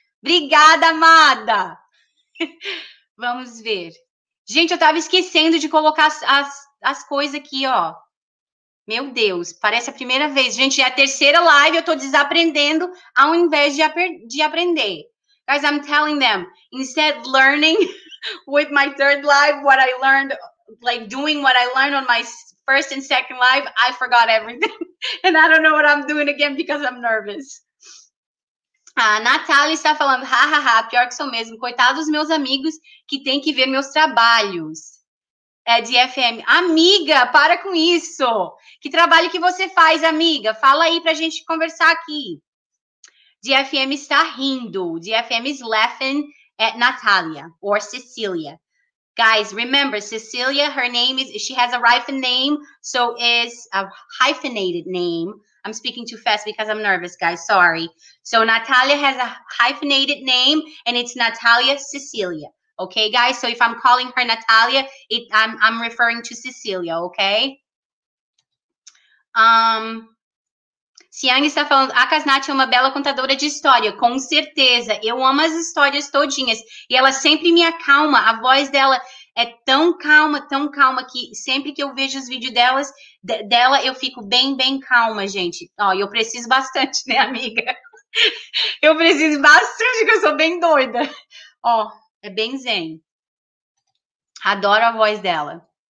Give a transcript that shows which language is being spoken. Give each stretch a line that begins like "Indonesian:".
Portuguese: Obrigada, amada. Vamos ver. Gente, eu tava esquecendo de colocar as coisas aqui, ó. Meu Deus, parece a primeira vez. Gente, é a terceira live, eu tô desaprendendo ao invés de aprender.
English: Guys, I'm telling them, instead learning with my third live, what I learned, like doing what I learned on my first and second live, I forgot everything. And I don't know what I'm doing again because I'm nervous.
Portuguese: A Natália está falando, hahaha, pior que sou mesmo. Coitado dos meus amigos que têm que ver meus trabalhos. É de FM. Amiga, para com isso. Que trabalho que você faz, amiga? Fala aí pra gente conversar aqui. De FM está rindo.
English: De FM is laughing at Natalia or Cecilia. Guys, remember, Cecilia, her name is, she has a hyphen name, so is a hyphenated name. I'm speaking too fast because I'm nervous, guys. Sorry. So Natalia has a hyphenated name, and it's Natalia Cecilia. Okay, guys? So if I'm calling her Natalia, I'm referring to Cecilia, okay?
Portuguese: Siang está falando, a Kasnath é uma bela contadora de história, com certeza, eu amo as histórias todinhas, e ela sempre me acalma, a voz dela é tão calma, que sempre que eu vejo os vídeos delas, dela, eu fico bem, bem calma, gente, ó, eu preciso bastante, né, amiga, eu preciso bastante, que eu sou bem doida, ó, é bem zen, adoro a voz dela.